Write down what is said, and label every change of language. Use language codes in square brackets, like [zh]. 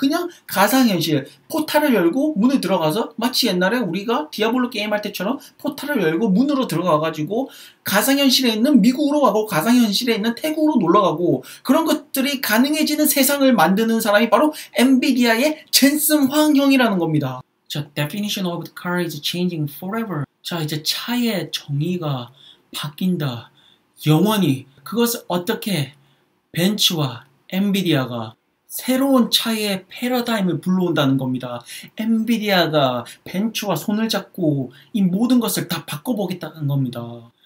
[ko] 그냥 가상현실. 포탈을 열고 문을 들어가서 마치 옛날에 우리가 디아블로 게임할 때처럼 포탈을 열고 문으로 들어가가지고 가상현실에 있는 미국으로 가고 가상현실에 있는 태국으로 놀러가고 그런 것들이 가능해지는 세상을 만드는 사람이 바로 엔비디아의 젠슨 황형이라는 겁니다. [en] The definition of the car is changing forever. [ko] 자, 이제 차의 정의가 바뀐다. 영원히. 그것을 어떻게 벤츠와 엔비디아가 새로운 차의 패러다임을 불러온다는 겁니다. 엔비디아가 벤츠와 손을 잡고 이 모든 것을 다 바꿔보겠다는 겁니다.